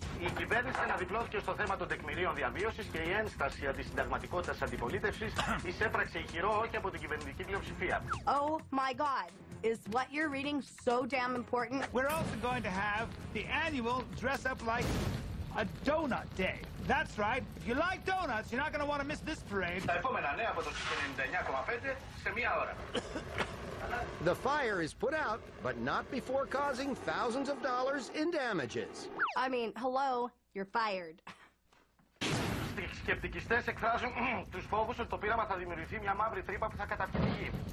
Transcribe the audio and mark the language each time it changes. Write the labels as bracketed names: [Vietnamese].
[Greek] Η κυβέρνηση αναδιπλώθηκε στο θέμα των τεκμηρίων διαβίωσης και η ένσταση αντισυνταγματικότητας αντιπολίτευσης εισέπραξε ηχηρό όχι από την κυβερνητική πλειοψηφία. [English] Oh my god, is what you're reading so damn important? We're also going to have the annual dress up like a donut day. That's right, if you like donuts, you're not going to want to miss this parade. [Greek] Τα επόμενα νέα από το 99,5 σε μία ώρα. [English] The fire is put out, but not before causing thousands of dollars in damages. I mean, hello, you're fired. [Greek] Σκεπτικιστές εκφράζουν τους φόβους ότι το πείραμα θα δημιουργηθεί μια μαύρη τρύπα που θα καταπιεί τη γη.